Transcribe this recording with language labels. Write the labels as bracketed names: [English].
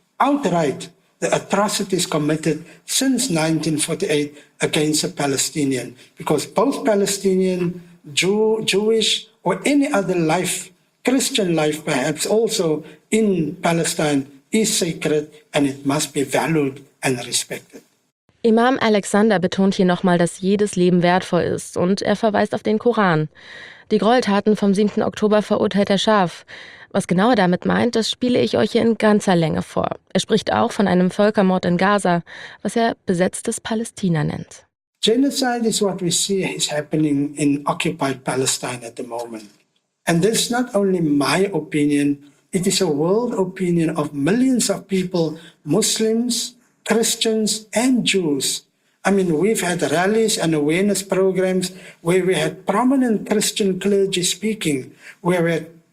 [English] outright the atrocities committed since 1948 against the Palestinian, because both Palestinian, Jewish, or any other life, Christian life perhaps also in Palestine, is sacred and it must be valued and respected. [German] Imam Alexander betont hier nochmal, dass jedes Leben wertvoll ist und er verweist auf den Koran. Die Gräueltaten vom 7. Oktober verurteilt er scharf. Was genau er damit meint, das spiele ich euch hier in ganzer Länge vor. Er spricht auch von einem Völkermord in Gaza, was er besetztes Palästina nennt. [English] Genocide is what we see is happening in occupied Palestine at the moment. And this is not only my opinion, it is a world opinion of millions of people, Muslims, Christians and Jews. I mean, we've had rallies and awareness programs where we had prominent Christian clergy speaking, where we had